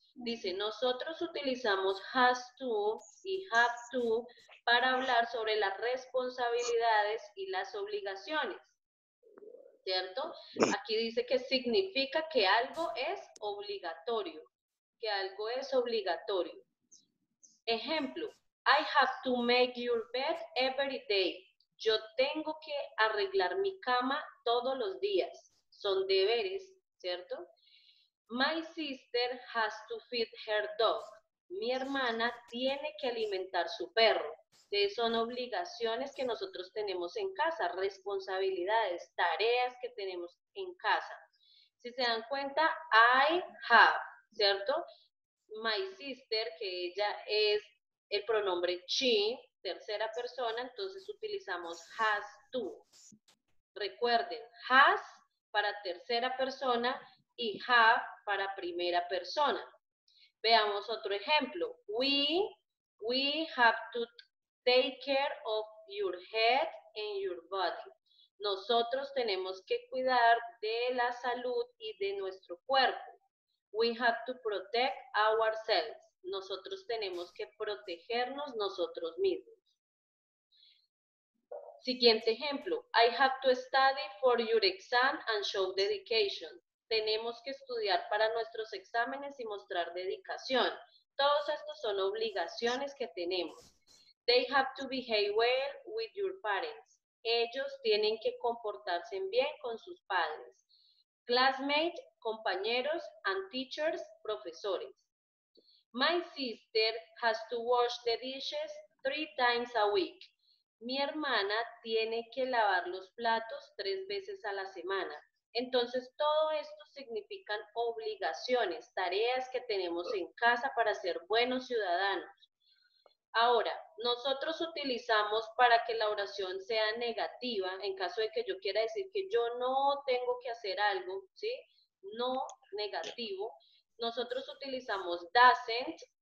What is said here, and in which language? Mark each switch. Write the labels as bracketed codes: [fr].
[es] Dice, nosotros utilizamos has to y have to para hablar sobre las responsabilidades y las obligaciones, ¿cierto? Aquí dice que significa que algo es obligatorio, que algo es obligatorio. [en] Ejemplo, I have to make your bed every day. [es] Yo tengo que arreglar mi cama todos los días. Son deberes, ¿cierto? [en] My sister has to feed her dog. [es] Mi hermana tiene que alimentar su perro. Entonces son obligaciones que nosotros tenemos en casa, responsabilidades, tareas que tenemos en casa. Si se dan cuenta, I have, ¿cierto? My sister, que ella es el pronombre she, tercera persona, entonces utilizamos has to. Recuerden, has para tercera persona y have para primera persona. Veamos otro ejemplo. [en] We have to take care of your head and your body. [es] Nosotros tenemos que cuidar de la salud y de nuestro cuerpo. [en] We have to protect ourselves. [es] Nosotros tenemos que protegernos nosotros mismos. Siguiente ejemplo. [en] I have to study for your exam and show dedication. [es] Tenemos que estudiar para nuestros exámenes y mostrar dedicación. Todos estos son obligaciones que tenemos. [en] They have to behave well with your parents. [es] Ellos tienen que comportarse bien con sus padres. [en] Classmates, compañeros, and teachers, profesores. My sister has to wash the dishes 3 times a week. [es] Mi hermana tiene que lavar los platos 3 veces a la semana. Entonces, todo esto significan obligaciones, tareas que tenemos en casa para ser buenos ciudadanos. Ahora, nosotros utilizamos para que la oración sea negativa, en caso de que yo quiera decir que yo no tengo que hacer algo, ¿sí? No negativo. Nosotros utilizamos doesn't,